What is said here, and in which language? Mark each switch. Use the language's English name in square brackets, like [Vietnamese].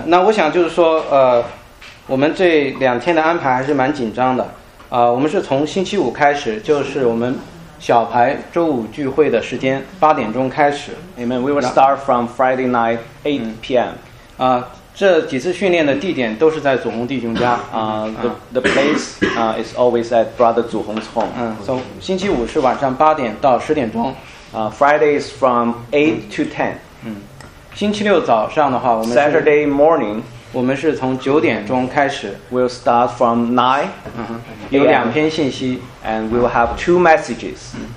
[Chinese] 那我想就是说，我们这两天的安排还是蛮紧张的。我们是从星期五开始，就是我们小牌周五聚会的时间，8点开始。 [English] 阿门。We will start from Friday night 8 p.m.、 [Chinese] 这几次训练的地点都是在祖宏弟兄家。 [English] The place is always at Brother 祖宏's home. [Chinese] 所以星期五是晚上8点到10点。 [English] Friday is from 8 to 10. [Chinese] 星期六早上的话，我们 [English] Saturday morning [Chinese] 我们是从9点开始。 [English] We'll start from 9. [Chinese] 有两篇信息。 [English] And we will have two messages.